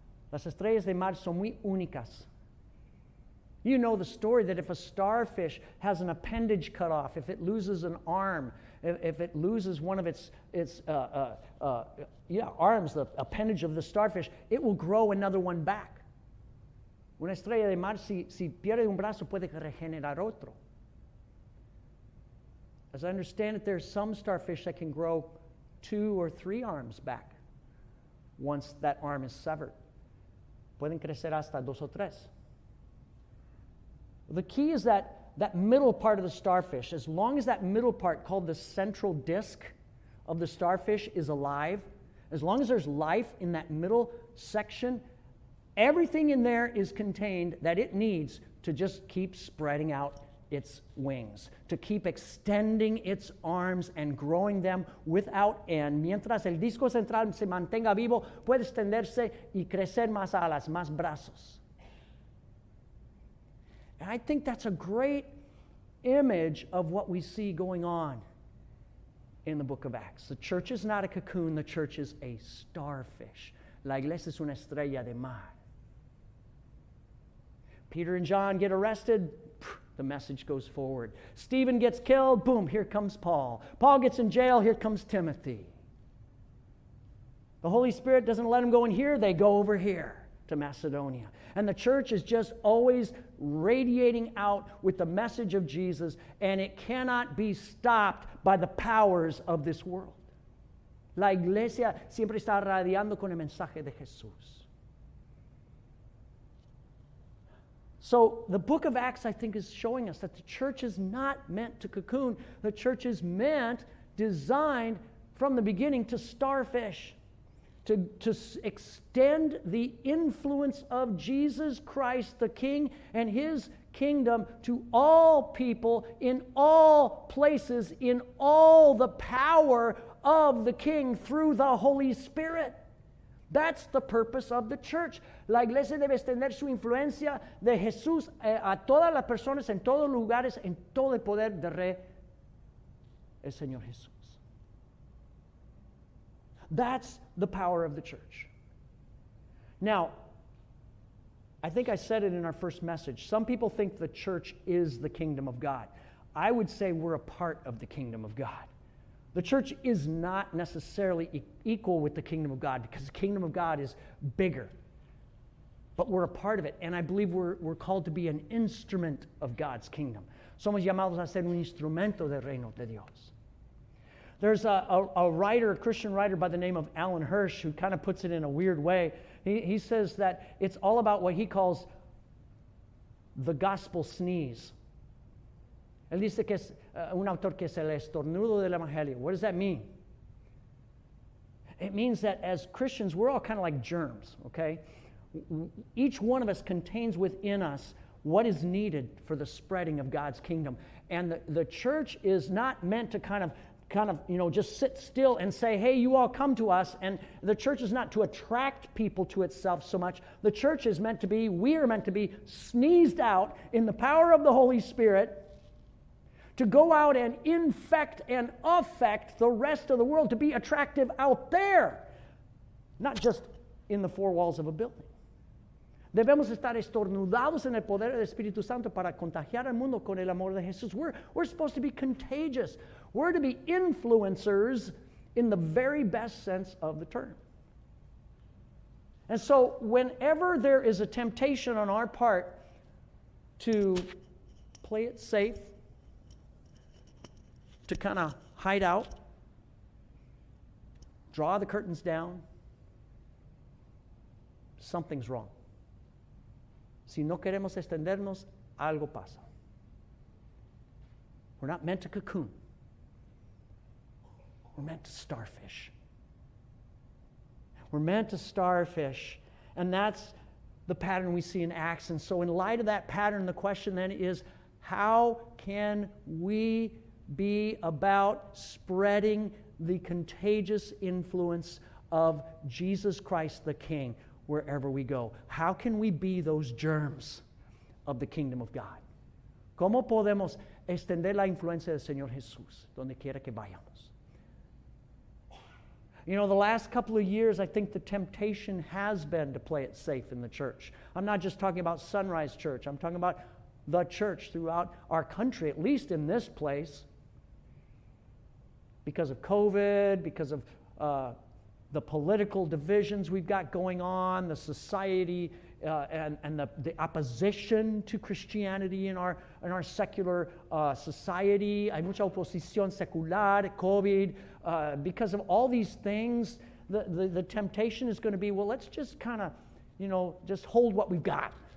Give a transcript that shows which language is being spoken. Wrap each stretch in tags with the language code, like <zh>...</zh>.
<es>Las estrellas de mar son muy únicas.</es> <en>You know the story that if a starfish has an appendage cut off, if it loses an arm, if it loses one of its arms, the appendage of the starfish, it will grow another one back.</en> <es>Una estrella de mar, si pierde un brazo, puede regenerar otro.</es> <en>As I understand it, there's some starfish that can grow 2 or 3 arms back once that arm is severed.</en> <es>Pueden crecer hasta 2 o 3.</es> <en>The key is that middle part of the starfish, as long as that middle part called the central disc of the starfish is alive, as long as there's life in that middle section, everything in there is contained that it needs to just keep spreading out its wings, to keep extending its arms and growing them without end.</en> <es>Mientras el disco central se mantenga vivo, puede extenderse y crecer más alas, más brazos.</es> <en>And I think that's a great image of what we see going on in the book of Acts. The church is not a cocoon, the church is a starfish.</en> <es>La iglesia es una estrella de mar.</es> <en>Peter and John get arrested. The message goes forward. Stephen gets killed. Boom, here comes Paul. Paul gets in jail. Here comes Timothy. The Holy Spirit doesn't let them go in here. They go over here to Macedonia. And the church is just always radiating out with the message of Jesus, and it cannot be stopped by the powers of this world.</en> <es>La iglesia siempre está radiando con el mensaje de Jesús.</es> <en>So the book of Acts, I think, is showing us that the church is not meant to cocoon. The church is meant, designed from the beginning, to starfish, to extend the influence of Jesus Christ, the King, and His kingdom to all people, in all places, in all the power of the King through the Holy Spirit. That's the purpose of the church.</en> <es>La iglesia debe extender su influencia de Jesús a todas las personas, en todos lugares, en todo el poder del Rey, el Señor Jesús.</es> <en>That's the power of the church. Now, I think I said it in our first message. Some people think the church is the kingdom of God. I would say we're a part of the kingdom of God. The church is not necessarily equal with the kingdom of God, because the kingdom of God is bigger. But we're a part of it, and I believe we're called to be an instrument of God's kingdom.</en> <es>Somos llamados a ser un instrumento del reino de Dios.</es> <en>There's a writer, a Christian writer by the name of Alan Hirsch, who kind of puts it in a weird way. He says that it's all about what he calls the gospel sneeze.</en> <es>Él dice que es un autor que es el estornudo del evangelio.</es> <en>What does that mean? It means that as Christians, we're all kind of like germs, okay? Each one of us contains within us what is needed for the spreading of God's kingdom. And the church is not meant to kind of, you know, just sit still and say, hey, you all come to us. And the church is not to attract people to itself so much. The church is meant to be, we are meant to be sneezed out in the power of the Holy Spirit to go out and infect and affect the rest of the world, to be attractive out there, not just in the four walls of a building.</en> <es>Debemos estar estornudados en el poder del Espíritu Santo para contagiar al mundo con el amor de Jesús.</es> <en>We're supposed to be contagious. We're to be influencers in the very best sense of the term. And so whenever there is a temptation on our part to play it safe, to kind of hide out, draw the curtains down, something's wrong.</en> <es>Si no queremos extendernos, algo pasa.</es> <en>We're not meant to cocoon. We're meant to starfish. We're meant to starfish. And that's the pattern we see in Acts. And so in light of that pattern, the question then is, how can we be about spreading the contagious influence of Jesus Christ the King wherever we go? How can we be those germs of the kingdom of God?</en> <es>¿Cómo podemos extender la influencia del Señor Jesús donde quiera que vayamos?</es> <en>You know, the last couple of years, I think the temptation has been to play it safe in the church. I'm not just talking about Sunrise Church. I'm talking about the church throughout our country, at least in this place. Because of COVID, because of the political divisions we've got going on, the society and the opposition to Christianity in our secular society,</en> <es>hay mucha oposición secular,</es> <en>COVID, because of all these things, the temptation is going to be, well, let's just kind of, you know, just hold what we've got.</en>